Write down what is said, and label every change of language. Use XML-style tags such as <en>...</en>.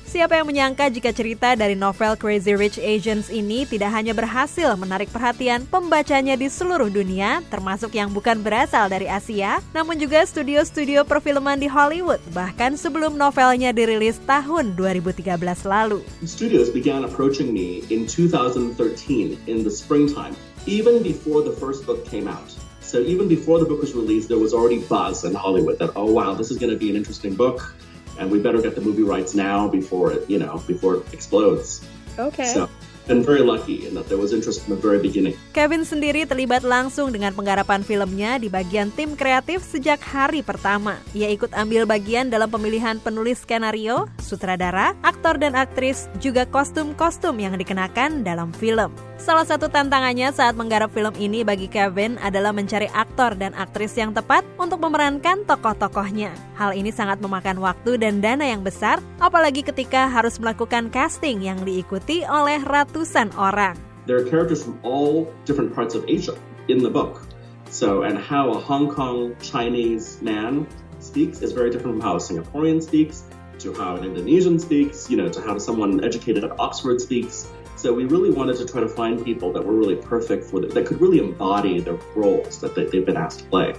<id>Siapa yang menyangka jika cerita dari novel Crazy Rich Asians ini tidak hanya berhasil menarik perhatian pembacanya di seluruh dunia, termasuk yang bukan berasal dari Asia, namun juga studio-studio perfilman di Hollywood, bahkan sebelum novelnya dirilis tahun 2013 lalu.</id> <en>Studios began approaching me in 2013, in the springtime, even before the first book came out. So even before the book was released, there was already buzz in Hollywood that, oh wow, this is going to be an interesting book, and we better get the movie rights now before it, you know, before it explodes. Okay. So, been very lucky in that there was interest from the very beginning.</en> <id>Kevin sendiri terlibat langsung dengan penggarapan filmnya di bagian tim kreatif sejak hari pertama. Ia ikut ambil bagian dalam pemilihan penulis skenario, sutradara, aktor dan aktris, juga kostum-kostum yang dikenakan dalam film. Salah satu tantangannya saat menggarap film ini bagi Kevin adalah mencari aktor dan aktris yang tepat untuk memerankan tokoh-tokohnya. Hal ini sangat memakan waktu dan dana yang besar, apalagi ketika harus melakukan casting yang diikuti oleh ratusan orang.</id> <en>There are characters from all different parts of Asia in the book. So, and how a Hong Kong Chinese man speaks is very different from how a Singaporean speaks, to how an Indonesian speaks, you know, to how someone educated at Oxford speaks. So we really wanted to try to find people that were really perfect for that could really embody the roles that they've been asked to play.</en>